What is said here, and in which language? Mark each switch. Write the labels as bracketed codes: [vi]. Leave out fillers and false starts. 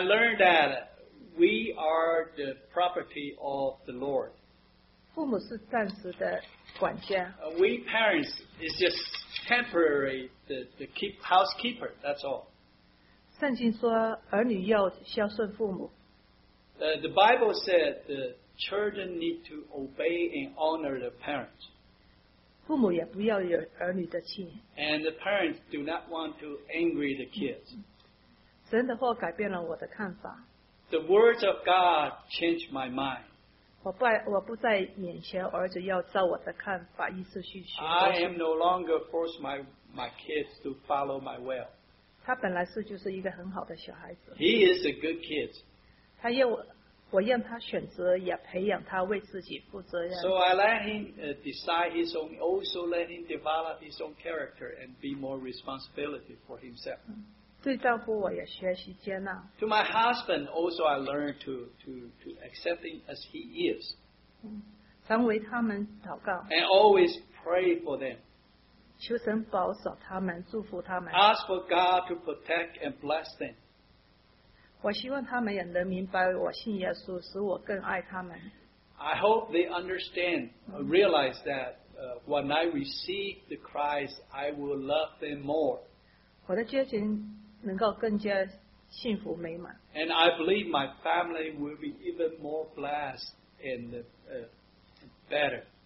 [en] learned that we are the property of the Lord. [zh] 父母是暂时的管家。 [en] We parents is just temporary, the keep housekeeper, that's all. [zh] 圣经说儿女要孝顺父母。 [en] The Bible said the children need to obey and honor the parents. [zh] 父母也不要惹儿女的气。 [en] And the parents do not want to angry the kids. [zh] 神的话改变了我的看法。 [en] The words of God changed my mind. [zh] 我不再勉强儿子要照我的看法，意思去学。 [en] I am no longer force my kids to follow my will. [zh] 他本来是就是一个很好的小孩子。 [en] He is a good kid. [zh] 他要我, 我让他选择，也培养他为自己负责任。 [en] So I let him decide his own, also let him develop his own character and be more responsibility for himself. [zh] 对丈夫我也学习接纳。 [en] To my husband, also I learned to accept him as he is. [zh] 常为他们祷告。 [en] And always pray for them. [zh] 求神保守他们，祝福他们。 [en] Ask for God to protect and bless them. [zh] 我希望他们也能明白我信耶稣使我更爱他们。 [en] I hope they understand, realize that when I receive the Christ, I will love them more. [zh] 我的家庭能够更加幸福美满。 [en] And I believe my family will be even more blessed and better.